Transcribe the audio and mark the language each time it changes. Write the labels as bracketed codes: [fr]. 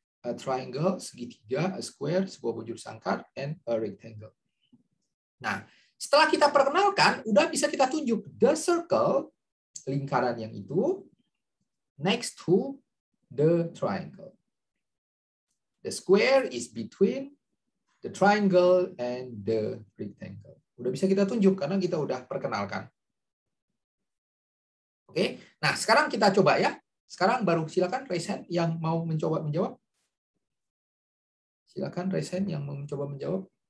[en] A triangle, [id] segitiga. [en] A square, [id] sebuah bujur sangkar. [en] And a rectangle. [id] Nah, setelah kita perkenalkan, udah bisa kita tunjuk [en] the circle, [id] lingkaran yang itu, [en] next to the triangle. The square is between the triangle and the rectangle. [id] Udah bisa kita tunjuk karena kita udah perkenalkan. Oke. Okay? Nah, sekarang kita coba ya. Sekarang baru silakan raise hand yang mau mencoba menjawab. Silakan raise hand yang mau mencoba menjawab.